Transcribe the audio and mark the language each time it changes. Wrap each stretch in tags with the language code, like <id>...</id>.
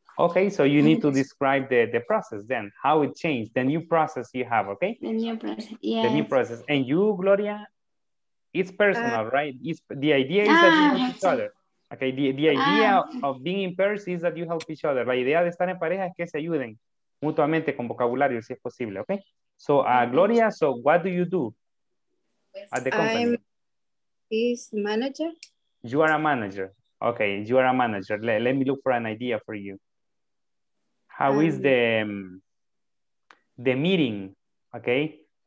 <en>Okay, so you need to describe the process then, how it changed, the new process you have, okay? The new process, yes. The new process. And you, Gloria, it's personal, right? The idea is that you help each other. Okay, the idea of being in pairs is that you help each other.</en> <es>La idea de estar en pareja es que se ayuden mutuamente con vocabulario, si es posible, okay?</es> <en>So, Gloria, so what do you do at the company? I'm his manager. You are a manager. Okay, you are a manager. Let me look for an idea for you. How is the meeting, okay?</en>